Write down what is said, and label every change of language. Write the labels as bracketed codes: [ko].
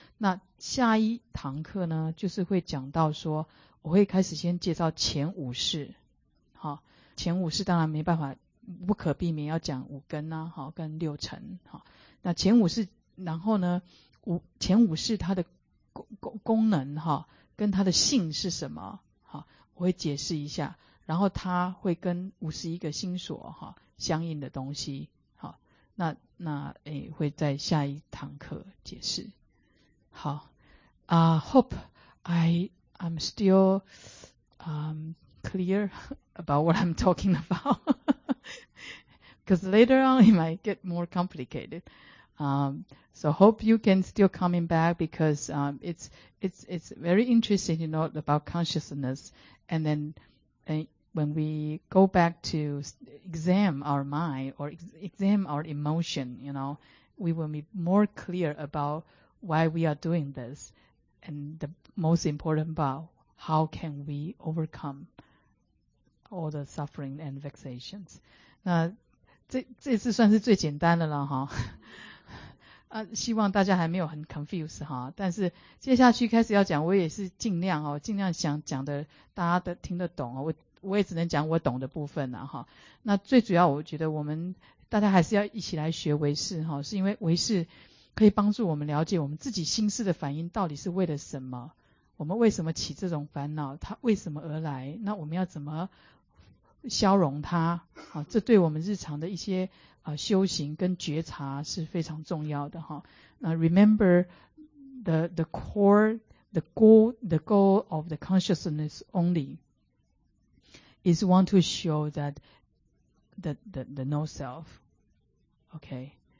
[zh] 那下一堂课呢，就是会讲到说，我会开始先介绍前五识，好，前五识当然没办法，不可避免要讲五根啊，好，跟六尘，好，那前五识，然后呢，前五识它的功能哈，跟它的性是什么？哈，我会解释一下，然后它会跟五十一个心所哈相应的东西，好，那会在下一堂课解释。 [en] 好，hope I'm still clear about what I'm talking about, because later on it might get more complicated. So hope you can still coming back, because it's very interesting, you know, about consciousness. And then when we go back to examine our mind or examine our emotion, you know, we will be more clear about why we are doing this. And the most important part, how can we overcome all the suffering and vexations? [zh] 那这次算是最简单的了哈。啊，希望大家还没有很 confused 哈，但是接下去开始要讲，我也是尽量哦，尽量想讲的大家的听得懂哦，我也只能讲我懂的部分啦哈。那最主要我觉得我们大家还是要一起来学唯识哈，是因为唯识可以帮助我们了解我们自己心思的反应到底是为了什么，我们为什么起这种烦恼，它为什么而来，那我们要怎么消融它，好，这对我们日常的一些修行跟觉察是非常重要的哈。 [en] 那 remember the core, the goal of the consciousness only is want to show that the no self. Okay.